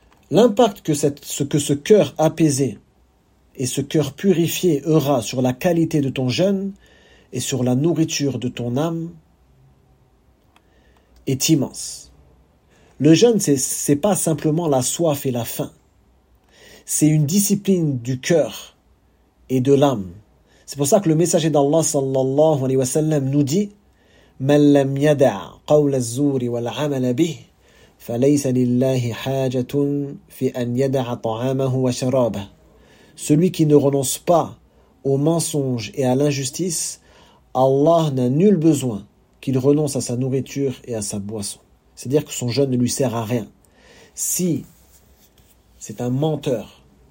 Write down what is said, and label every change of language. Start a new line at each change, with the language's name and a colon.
French: L'impact que ce cœur apaisé et ce cœur purifié aura sur la qualité de ton jeûne et sur la nourriture de ton âme est immense. Le jeûne, ce n'est pas simplement la soif et la faim. C'est une discipline du cœur et de l'âme. C'est pour ça que le messager d'Allah sallallahu alayhi wa sallam nous dit
Arabic: مَنْ لَمْ يَدَعْ قَوْلَ الزُّورِ وَالْعَمَلَ بِهِ فَلَيْسَ لِلَّهِ حَاجَةٌ فِي أَنْ يَدَعْ طَعَامَهُ وَشَرَابَهُ.
French: Celui qui ne renonce pas au mensonge et à l'injustice, Allah n'a nul besoin qu'il renonce à sa nourriture et à sa boisson. C'est-à-dire que son jeûne ne lui sert à rien. Si c'est un menteur,